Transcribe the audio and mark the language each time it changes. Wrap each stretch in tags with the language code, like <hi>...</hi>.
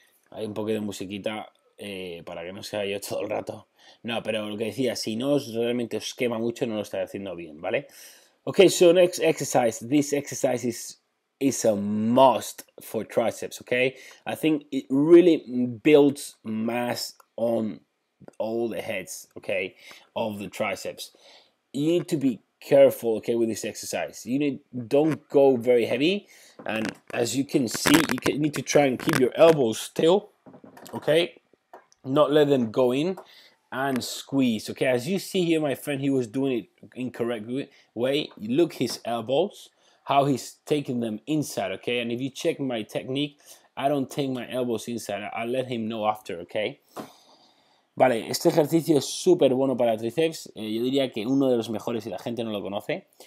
<es>Hay un poco de musiquita para que no sea yo todo el rato. No, pero lo que decía, si no realmente os quema mucho, no lo estáis haciendo bien, ¿vale?</es> <en>Ok, so next exercise. This exercise is a must for triceps, okay? I think it really builds mass on all the heads, okay, of the triceps. You need to be careful, okay, with this exercise. You need, don't go very heavy, and as you can see, you can, need to try and keep your elbows still, okay? Not let them go in and squeeze, okay? As you see here, my friend, he was doing it incorrect way. Look his elbows, how he's taking them inside, okay? And if you check my technique, I don't take my elbows inside. I let him know after, okay?</en> <es>Vale, este ejercicio es súper bueno para tríceps. Yo diría que uno de los mejores si la gente no lo conoce.</es>